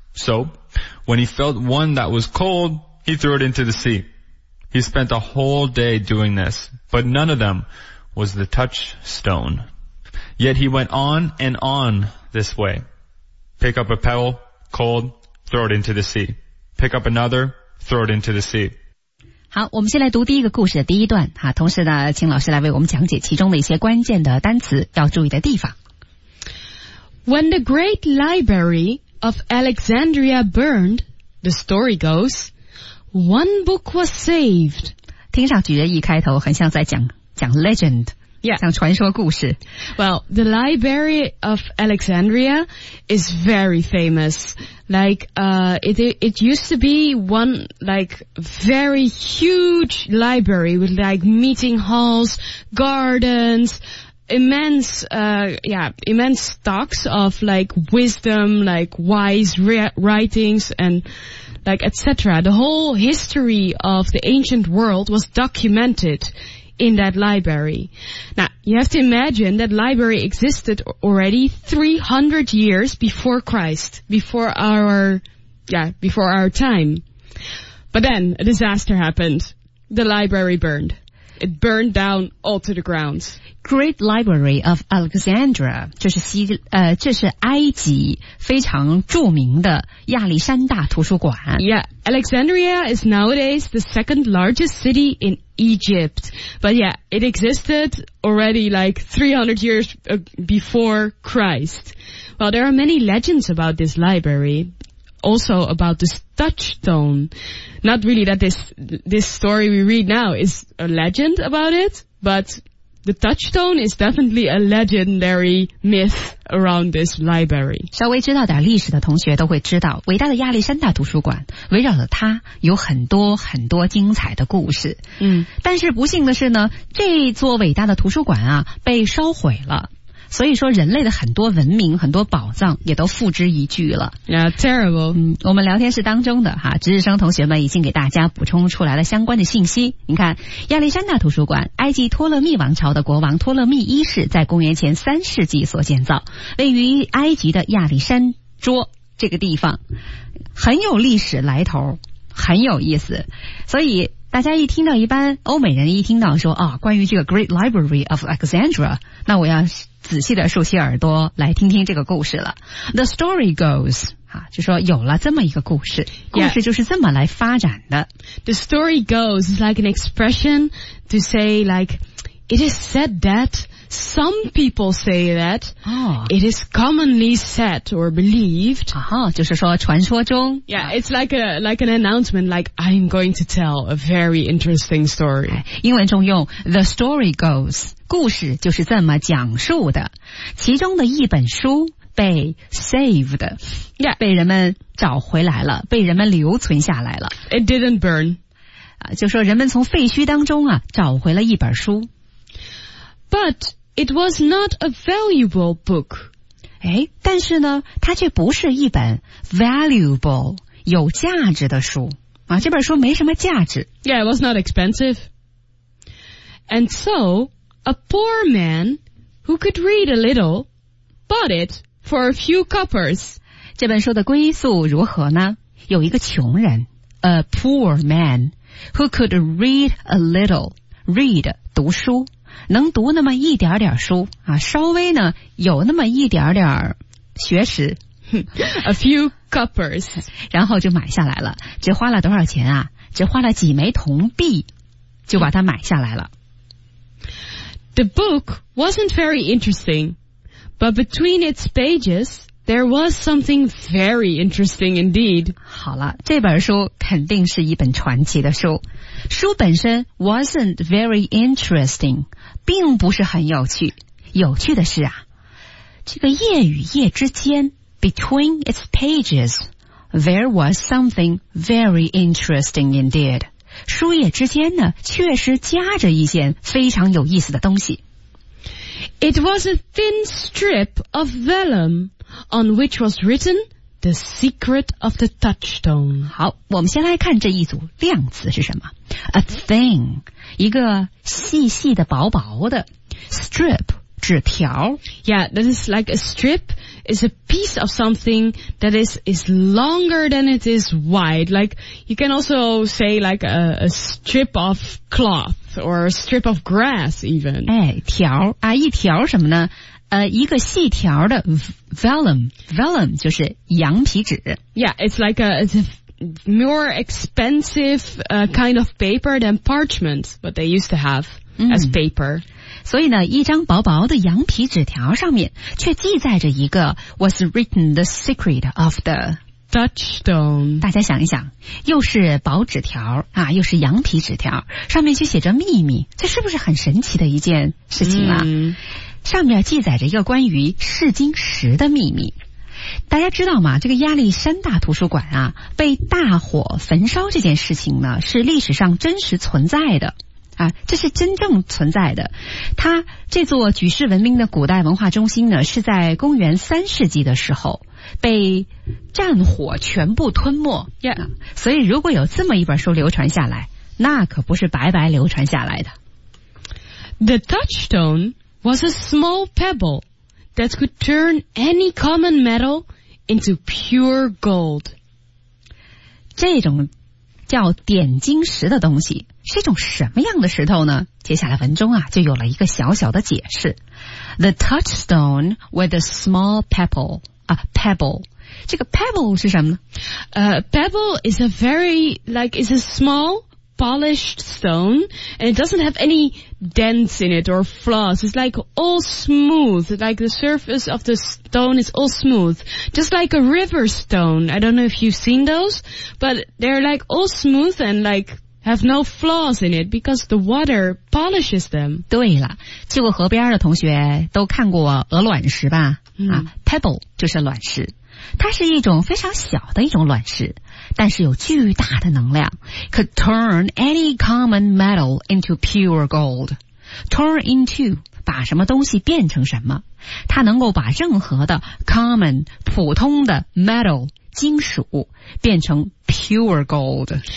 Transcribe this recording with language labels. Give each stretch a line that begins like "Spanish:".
English: So, when he felt one that was cold, he threw it into the sea. He spent a whole day doing this, but none of them was the touchstone. Yet he went on and on this way. Pick up a pebble, cold, throw it into the sea. Pick up another, throw it into the sea.
Chinese: 好，我们先来读第一个故事的第一段哈，同时呢请老师来为我们讲解其中的一些关键的单词要注意的地方。
English: When the Great Library of Alexandria burned, the story goes, one book was saved.
Chinese: 听上去一开头很像在讲 legend,、
English: yeah.
Chinese: 像传说故事。
English: Well, the Library of Alexandria is very famous. Like, it used to be one, like, very huge library with, like, meeting halls, gardens, immense stocks of, like, wisdom, like, wise writings, and, like, etc. The whole history of the ancient world was documented in that library. Now, you have to imagine that library existed already 300 years before Christ, before our time. But then a disaster happened. The library burned. It burned down all to the ground.
Chinese: Great Library of Alexandria, 这是埃及非常著名的亚历山大图书馆。
English: Yeah, Alexandria is nowadays the second largest city in Egypt. But yeah, it existed already like 300 years before Christ. Well, there are many legends about this library. Also about this touchstone. Not really that this story we read now is a legend about it, but the touchstone is definitely a legendary myth around this library.
Chinese: 稍微知道点历史的同学都会知道，伟大的亚历山大图书馆围绕着它有很多很多精彩的故事。嗯，但是不幸的是呢，这座伟大的图书馆啊被烧毁了。所以说人类的很多文明很多宝藏也都付之一炬了。
English: Yeah, terrible.
Chinese: 嗯，我们聊天室当中的哈，值日生同学们已经给大家补充出来了相关的信息。你看，亚历山大图书馆，埃及托勒密王朝的国王托勒密一世在公元前三世纪所建造，位于埃及的亚历山桌这个地方，很有历史来头，很有意思。所以大家一听到，一般欧美人一听到说啊，关于这个 Great Library of Alexandria， 那我要仔细的竖起耳朵来听听这个故事了。
English: The story goes，
Chinese: 啊，就说有了这么一个故事，故事就是这么来发展的。
English: Yeah. The story goes is like an expression to say like it is said that some people say that、 oh. it is commonly said or believed.
Chinese: 啊哈，就是说传说中。
English: Yeah, it's like an announcement, like I'm going to tell a very interesting story.
Chinese: 英文中用
English: the story goes，
Chinese: 故事就是这么讲述的。其中的一本书被 saved，
English: yeah，
Chinese: 被人们找回来了，被人们留存下来了。
English: It didn't burn.
Chinese: 就说人们从废墟当中啊找回了一本书。
English: But it was not a valuable book.
Chinese: 诶，但是呢它却不是一本 valuable, 有价值的书。啊，这本书没什么价值。
English: Yeah, it was not expensive. And so, a poor man who could read a little bought it for a few coppers.
Chinese: 这本书的归宿如何呢？有一个穷人，
English: a poor man who could read a little, read,
Chinese: 读书。能读那么一点点书啊，稍微呢有那么一点点学识。
English: A few coppers.
Chinese: 然后就买下来了。只花了多少钱啊？只花了几枚铜币就把它买下来了。
English: The book wasn't very interesting, but between its pages, there was something very interesting indeed.
Chinese: 好了，这本书肯定是一本传奇的书。书本身
English: wasn't very interesting，
Chinese: 并不是很有趣。有趣的是啊，这个页与页之间
English: ，between its pages， there was something very interesting indeed。
Chinese: 书页之间呢，确实夹着一件非常有意思的东西。
English: It was a thin strip of vellum on which was written the secret of the touchstone。
Chinese: 好，我们先来看这一组量词是什么 ？
English: A thin。
Chinese: 一个细细的薄薄的 strip 纸条
English: Yeah, that is like a strip is a piece of something that is longer than it is wide. Like you can also say like a strip of cloth or a strip of grass even.
Chinese: 哎，条啊，一条什么呢？一个细条的 vellum 就是羊皮纸。
English: Yeah, it's like more expensive kind of paper than parchment, what they used to have as paper.
Chinese: 所以呢，一张薄薄的羊皮纸条上面却记载着一个
English: was written the secret of the touchstone.
Chinese: 大家想一想，又是薄纸条啊，又是羊皮纸条，上面却写着秘密，这是不是很神奇的一件事情啊？上面记载着一个关于试金石的秘密。大家知道吗？这个亚历山大图书馆啊，被大火焚烧这件事情呢，是历史上真实存在的啊，这是真正存在的。它这座举世闻名的古代文化中心呢，是在公元三世纪的时候被战火全部吞没。
English: Yeah.
Chinese: 所以如果有这么一本书流传下来，那可不是白白流传下来的。
English: The touchstone was a small pebble. That could turn any common metal into pure gold.
Chinese: 这种叫点睛石的东西是一种什么样的石头呢？接下来文中啊就有了一个小小的解释。
English: The touchstone with a small pebble. Pebble.
Chinese: 这个 pebble 是什么呢？
English: Pebble is a very, like, is a small polished stone and it doesn't have any... dents in it or flaws. It's like all smooth, like the surface of the stone is all smooth, just like a river stone. I don't know if you've seen those, but they're like all smooth and like have no flaws in it because the water polishes them.
Chinese: 对了，去过河边的同学都看过鹅卵石吧？啊 ，pebble 就是卵石，它是一种非常小的一种卵石。但是有巨大的能量
English: could turn any common metal into pure gold. Turn into
Chinese: 把什么东西变成什么。他能够把任何的 common, 普通的 metal, 金属变成 pure gold.